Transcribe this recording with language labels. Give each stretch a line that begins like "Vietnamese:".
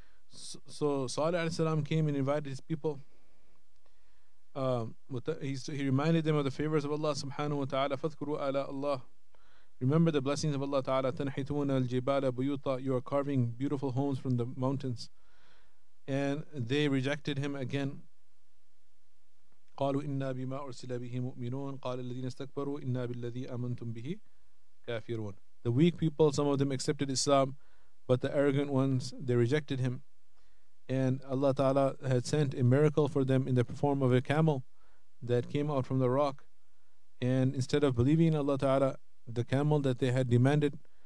English: So Salih alayhi salam came and invited his people. He reminded them of the favors of Allah subhanahu wa ta'ala.
Arabic: Fadhkuru ala Allah.
English: Remember the blessings of Allah ta'ala.
Arabic: Tanhituna al-jibala buyuta.
English: You are carving beautiful homes from the mountains. And they rejected him again.
Arabic: قالوا إنا بما أرسل به مؤمنون قال الذين استكبروا إنا بالذي آمنتم به كافرون.
English: The weak people, some of them accepted Islam, but the arrogant ones, they rejected him. And Allah Ta'ala had sent a miracle for them in the form of a camel that came out from the rock. And instead of believing Allah Ta'ala, the camel that they had demanded,